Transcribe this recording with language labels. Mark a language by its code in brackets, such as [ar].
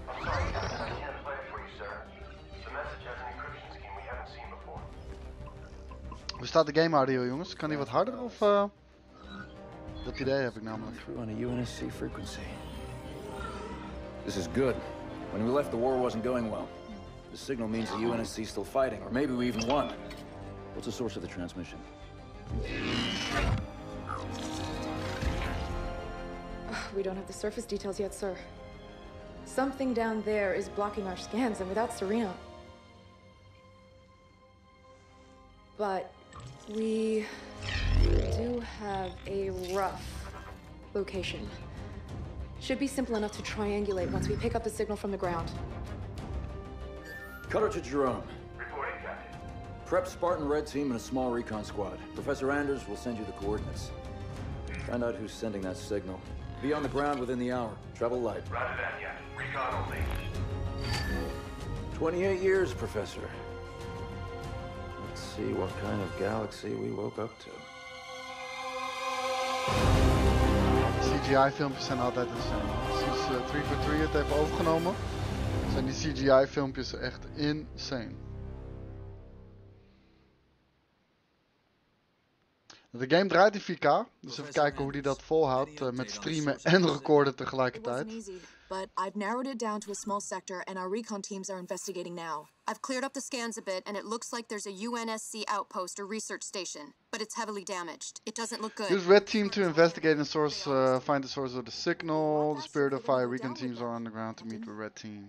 [en] I'm sorry, I can't play it for you, sir. The message has an encryption scheme we haven't seen before. [nl] Hoe staat de game audio, jongens? Kan die wat harder of dat idee heb ik namelijk. [en] Through on a UNSC frequency. This is good. When we left, the war wasn't going well. The signal means the UNSC is still fighting, or maybe we even won. What's the source of the transmission? We don't have the surface details yet, sir. Something down there is blocking our scans, and without Serena. But we do have a rough location. Should be simple enough to triangulate once we pick up the signal from the ground. Cutter to Jerome. Reporting, Captain. Prep Spartan Red Team and a small recon squad. Professor Anders will send you the coordinates. Find out who's sending that signal. Be on the ground within the hour. Travel light. Roger that, yeah. Recon only. 28 years, Professor. Let's see what kind of galaxy we woke up to. [nl] CGI-filmpjes zijn altijd insane. Sinds 343 het heeft overgenomen, zijn die CGI-filmpjes echt insane. De game draait in 4K, dus even kijken hoe die dat volhoudt met streamen en recorden tegelijkertijd. [en] But I've narrowed it down to a small sector and our recon teams are investigating now. I've cleared up the scans a bit and it looks like there's a UNSC outpost or research station, but it's heavily damaged. It doesn't look good. Use red team to investigate and find the source of the signal. The Spirit of Fire recon teams are on the ground to meet with red team.